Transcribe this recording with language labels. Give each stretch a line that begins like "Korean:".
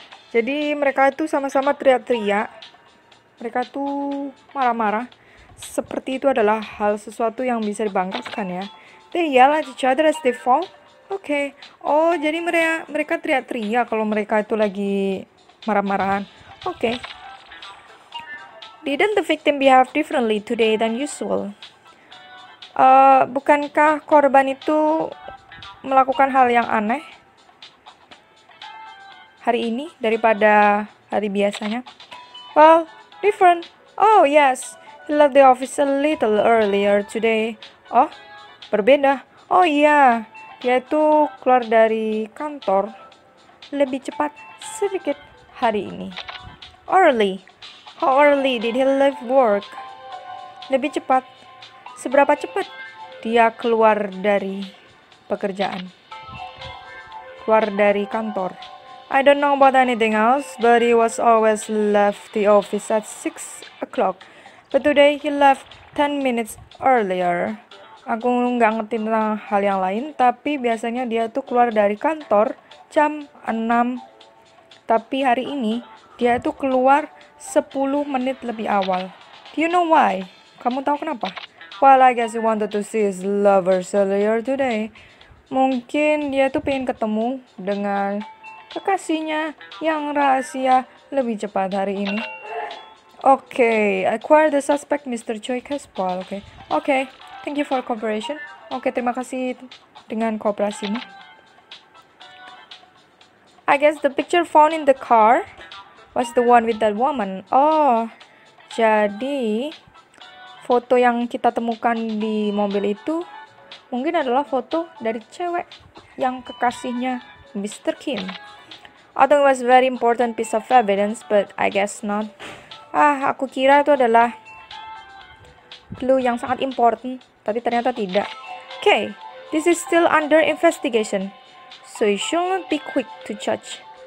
Indonesian: Jadi mereka itu sama-sama teriak-teriak. Mereka tuh marah-marah. Seperti itu adalah hal sesuatu yang bisa dibanggakan ya.
English: They yell at each other as they fall.
Indonesian: Okay. Oh, jadi mereka teriak-teriak kalau mereka itu lagi marah-marahan. Okay.
English: Didn't the victim behave differently today than usual?
Indonesian: Bukankah korban itu melakukan hal yang aneh hari ini daripada hari biasanya?
English: Well, different. Oh, yes. He left the office a little earlier today.
Indonesian: Oh, berbeda. Oh, iya. Dia itu keluar dari kantor lebih cepat sedikit hari ini.
English: Early. How early did he leave work?
Indonesian: Lebih cepat. Seberapa cepat dia keluar dari pekerjaan? Keluar dari kantor.
English: I don't know about anything else, but he was always left the office at 6 o'clock. But today he left 10 minutes earlier.
Indonesian: Aku nggak ngerti tentang hal yang lain, tapi biasanya dia tuh keluar dari kantor jam 6. Tapi hari ini, dia tuh keluar 10 menit lebih awal.
English: Do you know why?
Indonesian: Kamu tahu kenapa?
English: Well, I guess he wanted to see his lover earlier today.
Indonesian: Mungkin dia tuh pengen ketemu dengan kekasihnya yang rahasia lebih cepat hari ini.
English: Okay, acquire the suspect, Mr. Choi Caspal. Okay, okay. Thank you for cooperation.
Indonesian: Okay, terima kasih dengan kooperasimu.
English: I guess the picture found in the car was the one with that woman.
Indonesian: Oh, jadi foto yang kita temukan di mobil itu mungkin adalah foto dari cewek yang kekasihnya Mr. Kim.
English: I thought it was very important piece of evidence, but I guess not.
Indonesian: Ah, aku kira itu adalah clue yang sangat
English: important,
Indonesian: tapi ternyata tidak.
English: Okay, this is still under investigation, so you shouldn't be quick to judge.